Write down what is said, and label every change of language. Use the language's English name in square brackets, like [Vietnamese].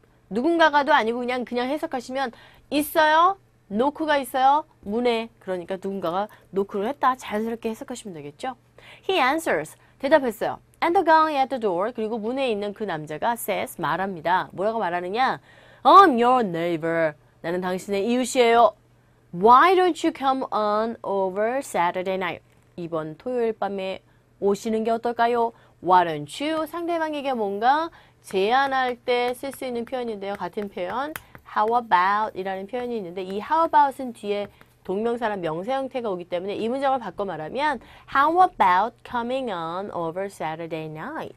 [Korean] 누군가가도 아니고 그냥 해석하시면 있어요? 노크가 있어요? 문에. 그러니까 누군가가 노크를 했다. 자연스럽게 해석하시면 되겠죠? [English] He answers. [Korean] 대답했어요. [English] And the guy at the door. [Korean] 그리고 문에 있는 그 남자가 [English] says. [Korean] 말합니다. 뭐라고 말하느냐? [English] I'm your neighbor. [Korean] 나는 당신의 이웃이에요. [English] Why don't you come on over Saturday night? [Korean] 이번 토요일 밤에 오시는 게 어떨까요? [English] Why don't you? [Korean] 상대방에게 뭔가 제안할 때 쓸 수 있는 표현인데요. 같은 표현. [English] How about? [Korean] 이라는 표현이 있는데 이 how about은 뒤에 동명사나 명사 형태가 오기 때문에 이 문장을 바꿔 말하면 [English] How about coming on over Saturday night?